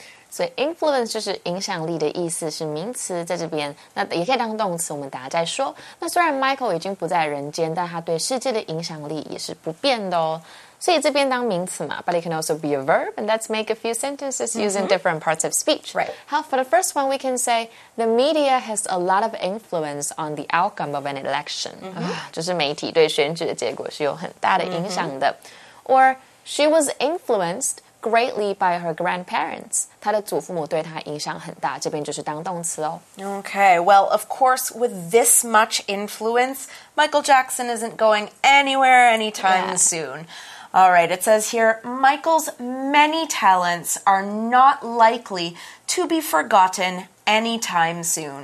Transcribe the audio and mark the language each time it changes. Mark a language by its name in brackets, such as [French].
[Chinese] 所以 influence 就是影响力的意思是名词在这边那也可以当动词我们大家再说那虽然 Michael 已经不在人间但他对世界的影响力也是不变的哦所以这边当名词嘛 [English] but it can also be a verb and let's make a few sentences using different parts of speech Right. How, for the first one we can say the media has a lot of influence on the outcome of an election [Chinese] 就是媒体对选举的结果是有很大的影响的 [English] or she was influencedGreatly by her grandparents. [Chinese] 她的祖父母对她影响很大这边就是当动词哦 [English] Okay, well, of course, with this much influence, Michael Jackson isn't going anywhere anytime soon. All right, it says here, Michael's many talents are not likely to be forgotten anytime soon.